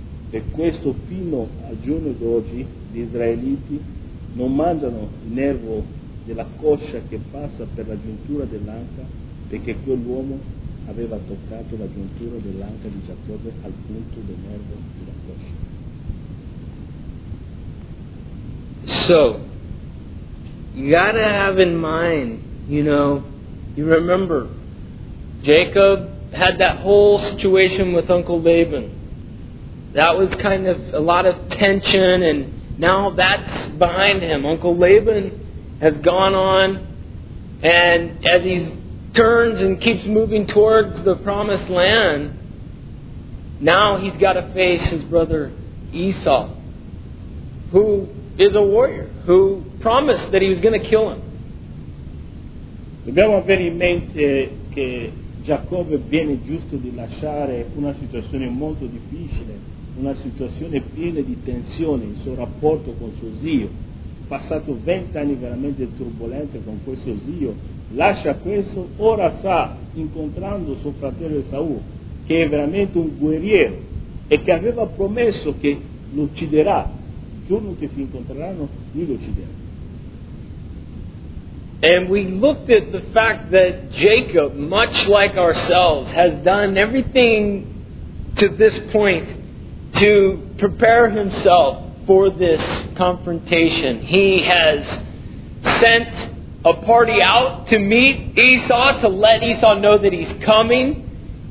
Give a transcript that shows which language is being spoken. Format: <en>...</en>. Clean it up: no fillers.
<it>E questo fino al giorno d'oggi gli israeliti non mangiano il nervo della coscia che passa per la giuntura dell'anca, perché quell'uomo aveva toccato la giuntura dell'anca di Giacobbe al punto del nervo della coscia.</it> <en>So, you gotta have in mind, you know, you remember, Jacob had that whole situation with Uncle Laban. That was kind of a lot of tension, and now that's behind him. Uncle Laban has gone on, and as he turns and keeps moving towards the promised land, now he's got to face his brother Esau, who is a warrior, who promised that he was going to kill him.</en> <it>Dobbiamo avere in mente che Giacobbe viene giusto di lasciare una situazione molto difficile, una situazione piena di tensioni, il suo rapporto con suo zio, passato 20 anni veramente turbolente con questo zio, lascia questo, ora sta incontrando suo fratello Esaù, che è veramente un guerriero e che aveva promesso che lo ucciderà. Il giorno che si incontreranno, lui lo ucciderà.</it> <en>And we looked at the fact that Jacob, much like ourselves, has done everything to this point to prepare himself for this confrontation. He has sent a party out to meet Esau, to let Esau know that he's coming.</en>